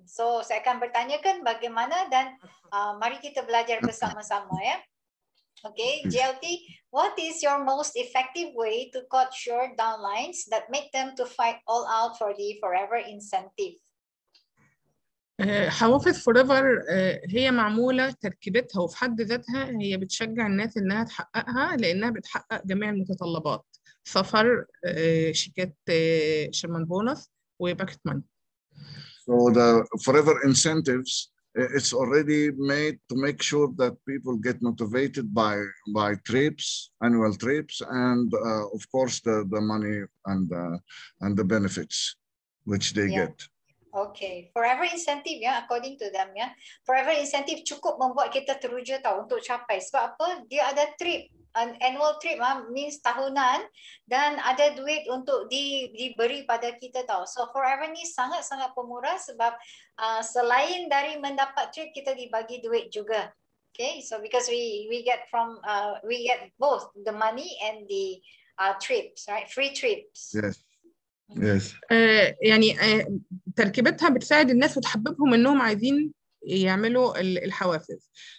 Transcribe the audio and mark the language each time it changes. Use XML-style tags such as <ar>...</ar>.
<ms>So saya akan bertanya kan bagaimana, dan mari kita belajar bersama-sama ya.</ms> <en>Okay, GLT, what is your most effective way to cut short downlines that make them to fight all out for the forever incentive?</en> <ar>حوافظ forever هي معمولة تركيبتها وفي حد ذاتها هي بتشجع الناس إنها تحققها لأنها بتحقق جميع المتطلبات. سفر, شيكات, شيرمان بونس, وباكت ماني.</ar> <en>So the forever incentives, it's already made to make sure that people get motivated by trips, annual trips, and of course the money and the benefits which they get. Okay, forever incentive ya, according to them ya.</en> <ms>Forever incentive cukup membuat kita teruja tau untuk capai. Sebab apa? Dia ada trip,</ms> <en>an annual trip ah,</en> <ms>means tahunan, dan ada duit untuk diberi pada kita tau. So forever ni sangat-sangat pemurah, sebab selain dari mendapat trip, kita dibagi duit juga.</ms> <en>Okay, so because we get both the money and the trips, right? Free trips. Yes. Yes.</en> <ar>يعني تركيبتها بتساعد الناس وتحببهم انهم عايزين يعملوا الحوافز.</ar>